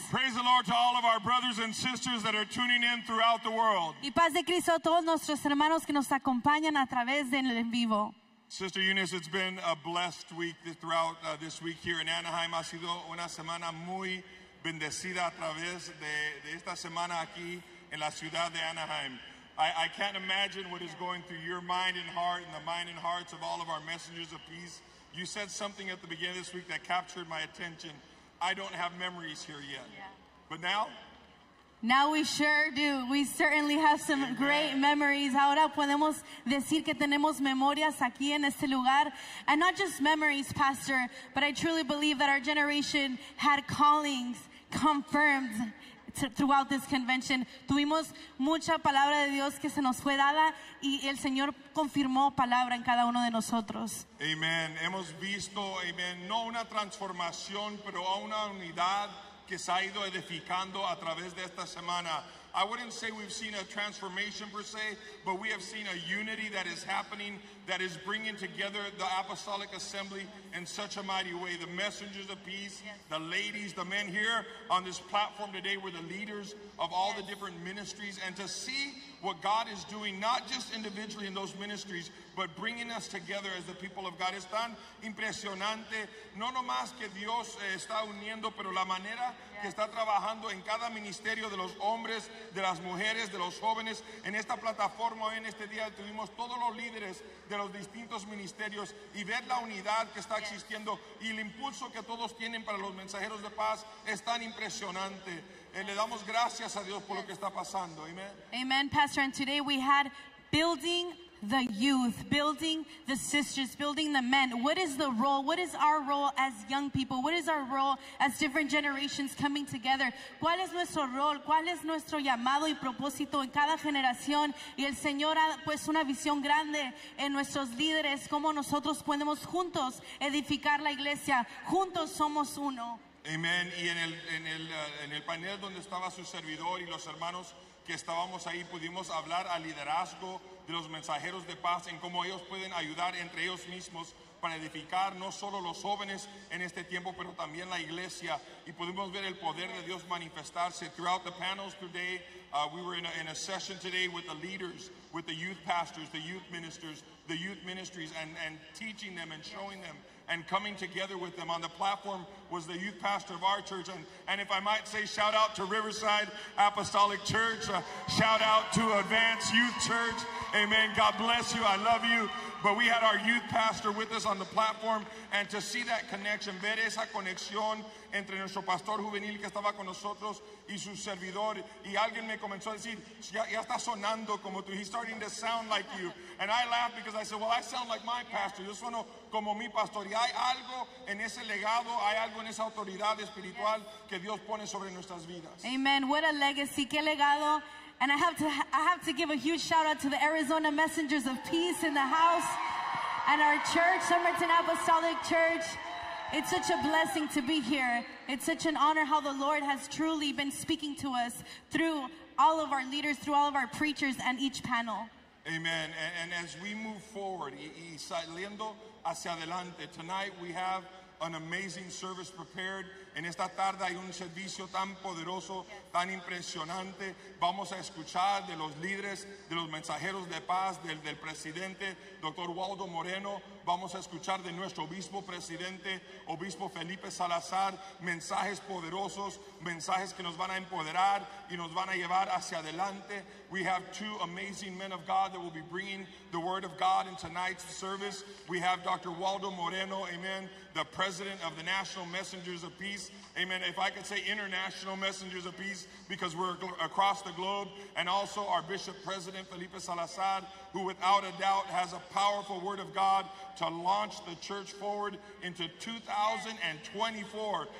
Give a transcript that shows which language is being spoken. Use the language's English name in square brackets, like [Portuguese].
[English] Praise the Lord to all of our brothers and sisters that are tuning in throughout the world. [Spanish] Y paz de Cristo a todos nuestros hermanos que nos acompañan a través del en vivo. [English] Sister Eunice, it's been a blessed week throughout this week here in Anaheim. [Spanish] Ha sido una semana muy bendecida a través de esta semana aquí en la ciudad de Anaheim. [English] I can't imagine what is going through your mind and heart and the mind and hearts of all of our messengers of peace. You said something at the beginning of this week that captured my attention. I don't have memories here yet. Yeah. But now? Now we sure do. We certainly have some Amen. Great memories. [Spanish] Ahora podemos decir que tenemos memorias aquí en este lugar. [English] And not just memories, Pastor, but I truly believe that our generation had callings confirmed throughout this convention. [Spanish] Tuvimos mucha palabra de Dios que se nos fue dada y el Señor confirmó palabra en cada uno de nosotros. Amen. Hemos visto, amen, no una transformación, pero a una unidad que se ha ido edificando a través de esta semana. [English] I wouldn't say we've seen a transformation per se, but we have seen a unity that is happening, that is bringing together the Apostolic Assembly in such a mighty way. The messengers of peace, the ladies, the men here on this platform today were the leaders of all the different ministries. And to see what God is doing, not just individually in those ministries, but bringing us together as the people of God. [Spanish] Es tan impresionante, no nomás que Dios está uniendo, pero la manera que está trabajando en cada ministerio de los hombres, de las mujeres, de los jóvenes. En esta plataforma, hoy en este día, tuvimos todos los líderes de los distintos ministerios y ver la unidad que está existiendo y el impulso que todos tienen para los mensajeros de paz es tan impresionante. Le damos gracias a Dios por lo que está pasando. Amen. Amen, Pastor. [English] And today we had building the youth, building the sisters, building the men. What is the role? What is our role as young people? What is our role as different generations coming together? [Spanish] ¿Cuál es nuestro rol? ¿Cuál es nuestro llamado y propósito en cada generación? Y el Señor ha puesto una visión grande en nuestros líderes. ¿Cómo nosotros podemos juntos edificar la iglesia? Juntos somos uno. Amen. Y en el panel donde estaba su servidor y los hermanos que estábamos ahí, pudimos hablar al liderazgo de los mensajeros de paz en cómo ellos pueden ayudar entre ellos mismos para edificar no solo los jóvenes en este tiempo, pero también la iglesia. Y pudimos ver el poder de Dios manifestarse. [English] Throughout the panels today, we were in a session today with the leaders, with the youth pastors, the youth ministers, the youth ministries, and teaching them and showing them and coming together with them. On the platform was the youth pastor of our church. And if I might say, shout out to Riverside Apostolic Church. Shout out to Advance Youth Church. Amen. God bless you. I love you. But we had our youth pastor with us on the platform. And to see that connection, [Spanish] ver esa conexión entre nuestro pastor juvenil que estaba con nosotros y su servidor. Y alguien me comenzó a decir, ya está sonando como tú. [English] He's starting to sound like you. And I laughed because I said, well, I sound like my pastor. [Spanish] Yo sueno como mi pastor. Y hay algo en ese legado, hay algo en esa autoridad espiritual que Dios pone sobre nuestras vidas. [English] Amen. What a legacy. [Spanish] Qué legado. [English] And I have to give a huge shout out to the Arizona Messengers of Peace in the house and our church, Summerton Apostolic Church. It's such a blessing to be here. It's such an honor how the Lord has truly been speaking to us through all of our leaders, through all of our preachers and each panel. Amen. And as we move forward, [Spanish] y saliendo hacia adelante, [English] tonight we have an amazing service prepared. [Spanish] En esta tarde hay un servicio tan poderoso, tan impresionante. Vamos a escuchar de los líderes, de los mensajeros de paz, del presidente, Dr. Waldo Moreno. Vamos a escuchar de nuestro obispo presidente, Obispo Felipe Salazar, mensajes poderosos, mensajes que nos van a empoderar y nos van a llevar hacia adelante. [English] We have two amazing men of God that will be bringing the word of God in tonight's service. We have Dr. Waldo Moreno, amen, the president of the National Messengers of Peace. Amen. If I could say International Messengers of Peace, because we're across the globe. And also our bishop president, Felipe Salazar, who without a doubt has a powerful word of God to launch the church forward into 2024.